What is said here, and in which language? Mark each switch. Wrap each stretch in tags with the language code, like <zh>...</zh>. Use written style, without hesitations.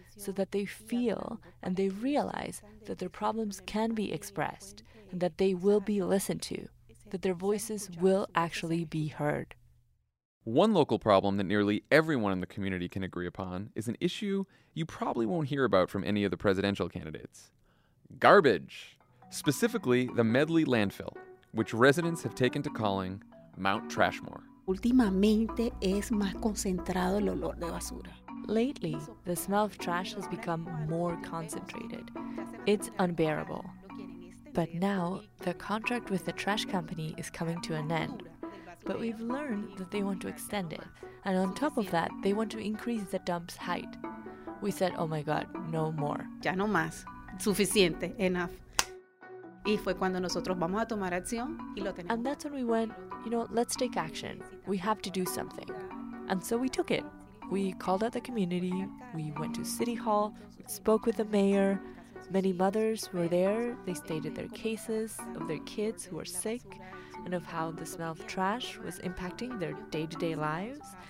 <en>So that they feel and they realize that their problems can be expressed and that they will be listened to, that their voices will actually be heard. One local problem that nearly everyone in the community can agree upon is an issue you probably won't hear about from any of the presidential candidates. Garbage! Specifically, the Medley Landfill, which residents have taken to calling Mount Trashmore.</en> <es>Últimamente es más concentrado el olor de basura.</es> <en>Lately, the smell of trash has become more concentrated. It's unbearable. But now, the contract with the trash company is coming to an end. But we've learned that they want to extend it. And on top of that, they want to increase the dump's height. We said, oh my God, no more.</en> <es>Ya no más. Suficiente.</es> <en>Enough.</en> <es>Y fue cuando nosotros vamos a tomar acción y lo tenemos.</es> <en>And that's when we went, you know, let's take action. We have to do something. And so we took it. We called out the community. We went to City Hall, spoke with the mayor. Many mothers were there. They stated their cases of their kids who were sick and of how the smell of trash was impacting their day-to-day lives.</en>